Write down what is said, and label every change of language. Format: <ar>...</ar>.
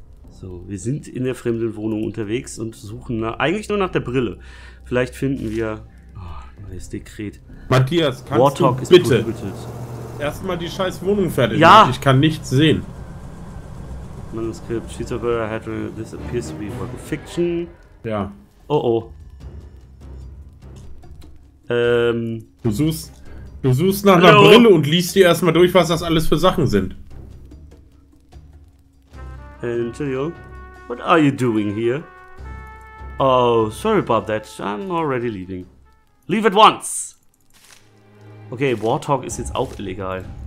<de>So, wir sind in der fremden Wohnung unterwegs und suchen nach, eigentlich nur nach der Brille. Vielleicht finden wir... Oh, neues Dekret. Matthias, kannst du bitte erstmal die scheiß Wohnung fertig machen? Ja. Ich kann nichts sehen.</de> <en>Manuskript. She's a better head. This appears to be a work of fiction.</en> <de>Ja. Oh, oh. Du suchst nach einer Brille und liest dir erstmal durch, was das alles für Sachen sind. Entschuldigung.</de> <en>What are you doing here? Oh, sorry about that. I'm already leaving. Leave at once!</en> <de>Okay, War Talk ist jetzt auch illegal.</de>